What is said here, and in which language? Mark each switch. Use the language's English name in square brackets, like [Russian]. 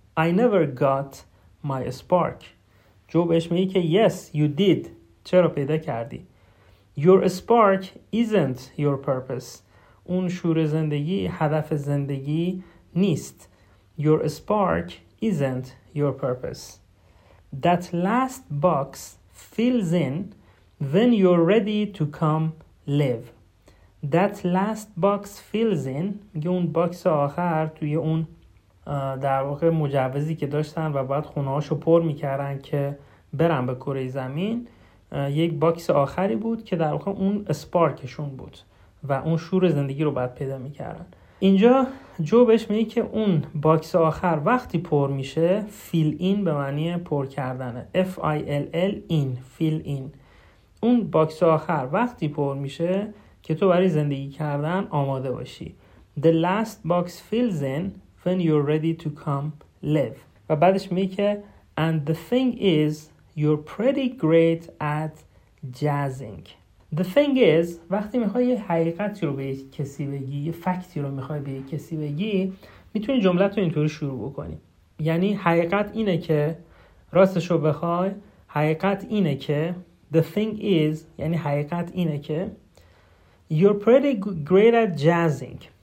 [English] I never got my spark. [Persian] جو بهش میگه که [English] Yes, you did. [Persian] چرا پیدا کردی؟ [English] Your spark isn't your purpose. [Persian] اون شور زندگی هدف زندگی نیست. [English] Your spark isn't your purpose. That last box fills in when you're ready to come live. That last box fills in. [Persian] میگه اون باکس آخر توی اون در واقع مجوزی که داشتن و بعد خونه‌هاشو پر میکردن که برن به کره زمین، یک باکس آخری بود که در واقع اون اسپارکشون بود و اون شور زندگی رو بعد پیدا میکردن. اینجا جو بهش میگه که اون باکس آخر وقتی پر میشه، fill in به معنی پر کردنه، F-I-L-L in، fill in. اون باکس آخر وقتی پر میشه که تو برای زندگی کردن آماده باشی. [English] The last box fills in when you're ready to come live. [Persian] و بعدش میگه [English] And the thing is you're pretty great at jazzing. The thing is [Persian] وقتی میخوای یه حقیقتی رو به کسی بگی، یه فکتی رو میخوای به کسی بگی، میتونی جمله تو اینطوری شروع بکنی. یعنی حقیقت اینه که، راستش رو بخوای حقیقت اینه که، [English] The thing is [Persian] یعنی حقیقت اینه که [English] You're pretty great at jazzing.